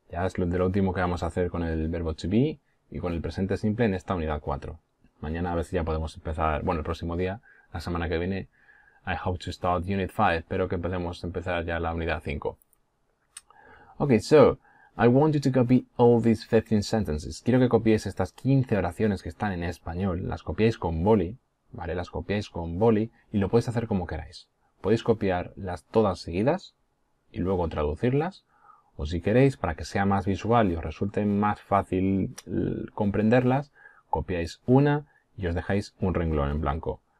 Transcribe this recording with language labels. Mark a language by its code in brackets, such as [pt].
[es] Ya es lo último que vamos a hacer con el verbo to be y con el presente simple en esta unidad 4. Mañana a ver si ya podemos empezar, bueno, el próximo día, la semana que viene, [en] I hope to start unit 5, [es] espero que podamos empezar ya la unidad 5. [en] Okay, so, I want you to copy all these 15 sentences. [es] Quiero que copiéis estas 15 oraciones que están en español, las copiéis con boli, ¿vale? Las copiéis con boli y lo podéis hacer como queráis. Podéis copiarlas todas seguidas y luego traducirlas. O si queréis, para que sea más visual y os resulte más fácil comprenderlas, copiáis una y os dejáis un renglón en blanco.